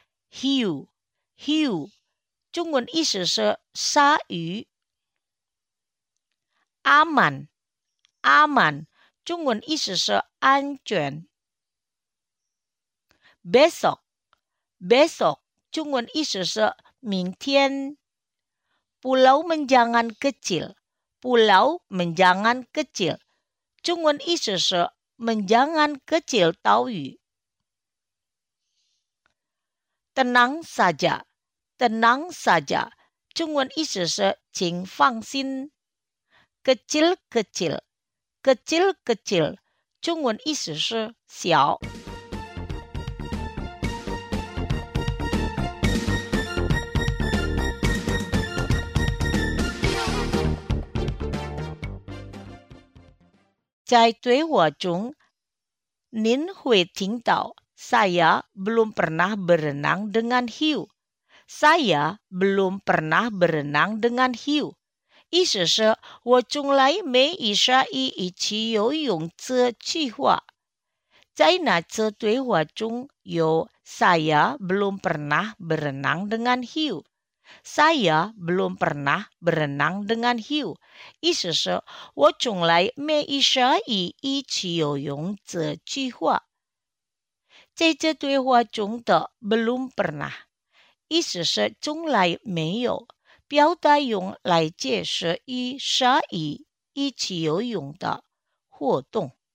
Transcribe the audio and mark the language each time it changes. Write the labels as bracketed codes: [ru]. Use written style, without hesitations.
[id] Hiu， hiu， [zh] 中文意思是鲨鱼。 [id] Aman， aman， [zh] 中文意思是安全。 [id] Besok, besok, [zh] 中文意思是明天。 Pulau Menjangan kecil, Pulau Menjangan kecil, 中文意思是Menjangan kecil 岛屿。 [id] Tenang saja, tenang saja, [zh] 中文意思是请放心。 [id] Kecil kecil, kecil kecil, [zh] 中文意思是小。在对话中，您会听到 [id] saya belum pernah berenang dengan hiu. Saya belum pernah berenang dengan hiu. [zh] 意思是我从来没与鲨鱼一起游泳这句话。在那次对话中有 [id] saya belum pernah berenang dengan hiu. Saya belum pernah berenang dengan hiu. [zh] 意思是我从来没与鲨鱼一起游泳这句话。在这对话中的 [id] belum pernah， [zh] 意思是从来没有，表达用来解释与鲨鱼一起游泳的活动。